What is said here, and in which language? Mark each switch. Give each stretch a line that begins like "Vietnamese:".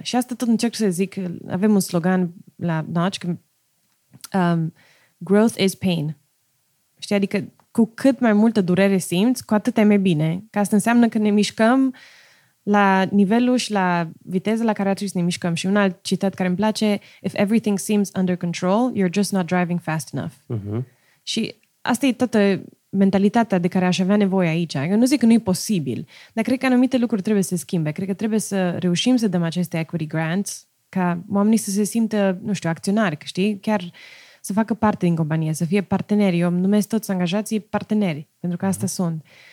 Romanian: Și asta tot încerc să zic. Avem un slogan la Notch. Că,
English: growth is pain.
Romanian: Știi? Adică cu cât mai multă durere simți, cu atât e mai bine. Că asta înseamnă că ne mișcăm la nivelul și la viteza la care ar trebui să ne mișcăm. Și un alt citat care îmi place,
English: if everything seems under control, you're just not driving fast enough.
Romanian: Uh-huh. Și asta e toată mentalitatea de care aș avea nevoie aici. Eu nu zic că nu e posibil, dar cred că anumite lucruri trebuie să schimbe. Cred că trebuie să reușim să dăm aceste
English: equity grants
Romanian: ca oamenii să se simtă, nu știu, acționari, știi? Chiar să facă parte din companie, să fie parteneri. Eu numesc toți angajații parteneri, pentru că asta sunt.